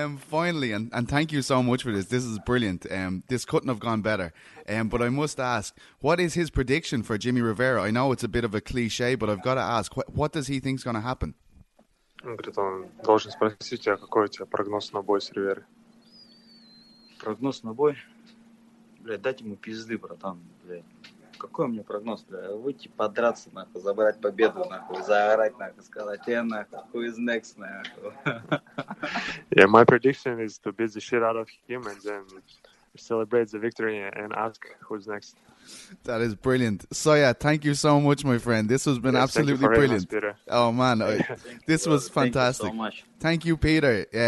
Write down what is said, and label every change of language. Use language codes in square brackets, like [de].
[en] Finally, and thank you so much for this. This is brilliant. This couldn't have gone better. But I must ask, what is his prediction for Jimmy Rivera? I know it's a bit of a cliche, but I've got to ask, what does he think is going to happen? [ru] Он говорит, он должен спросить тебя, какой у тебя прогноз на бой с Риверой. Прогноз на бой? Блядь, дать ему пизды, братан. Блядь. Какой у меня прогноз, блядь? Выйти подраться, нахуй, забрать победу, нахуй, заорать, нахуй, сказать, я, нахуй, [en] who is next, [ru] нахуй. [en] Yeah, my prediction is to beat the shit out of him and then celebrate the victory and ask who's next. That is brilliant. So yeah, thank you so much, my friend. This has been absolutely brilliant. Thank you for having us, Peter. Oh, man, this was fantastic. Thank you so much. Thank you, Peter.